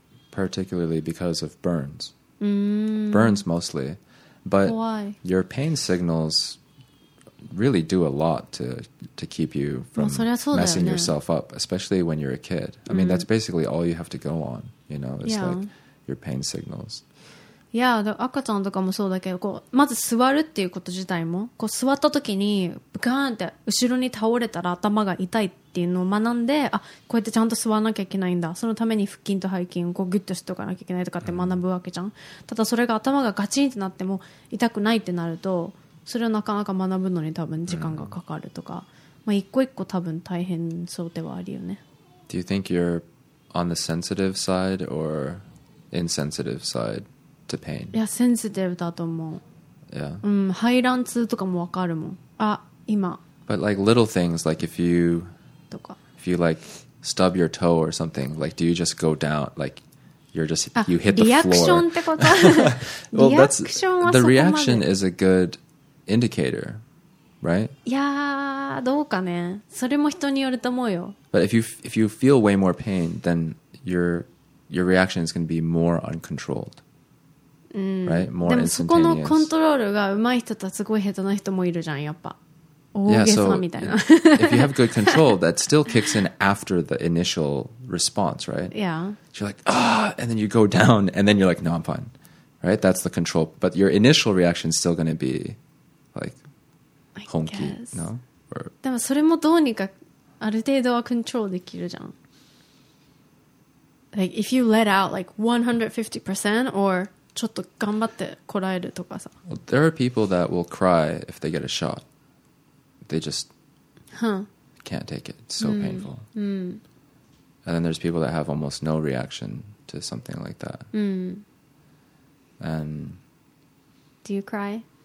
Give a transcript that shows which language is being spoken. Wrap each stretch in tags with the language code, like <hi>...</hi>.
<en>Particularly because of burns. Burns mostly. But your pain signals really do a lot to keep you from messing yourself up, especially when you're a kid. I mean, that's basically all you have to go on, you know, is like your pain signals.</en> <ja>いや、赤ちゃんとかもそうだけど、こうまず座るっていうこと自体もこう座った時にブカーンって後ろに倒れたら頭が痛いっていうのを学んで、あ、こうやってちゃんと座らなきゃいけないんだ、そのために腹筋と背筋をこうグッとしておかなきゃいけないとかって学ぶわけじゃん、ただそれが頭がガチンってなっても痛くないってなると、それをなかなか学ぶのに多分時間がかかるとか、まあ、一個一個多分大変そうではあるよね。</ja> <en>Do you think you're on the sensitive side or insensitive sideto pain?</en> <ja>いや、センシティブだと思う。</ja> <en>Yeah.</en> <ja>うん、排卵痛とかもわかるもん。あ、今。</ja> <en>But like little things, like if you,</en> <ja>とか。</ja> <en>If you like stub your toe or something, like do you just go down, like you're just, you hit the floor.</en> <ja>リアクションってこと？</ja> <en>Well, that's, the reaction is a good indicator. right?</en> <ja>Yeah, どうかね。それも人によると思うよ。</ja> <en>But if you feel way more pain, then your reaction is going to be more uncontrolled. Right? More instantaneous.</en> <ja>でもそこのコントロールが上手い人とはすごい下手な人もいるじゃん、やっぱ。大げさみたいな。</ja> <en>Yeah, so if you have good control, that still kicks in after the initial response, right? Yeah. So you're like, ah, and then you go down, and then you're like, no, I'm fine. Right? That's the control. But your initial reaction is still going to be like, 本気, no? Or...</en> <ja>でもそれもどうにかある程度はコントロールできるじゃん。</ja> <en>Like, if you let out like 150% or...</en> <ja>ちょっと頑張ってこらえるとかさ。</ja> <en>Well, there are people that will cry if they get a shot. They just、 huh. can't take it. It's so、mm. painful.、 Mm. And then there's people that have almost no reaction to something like that.、 Mm. And do you cry?</en>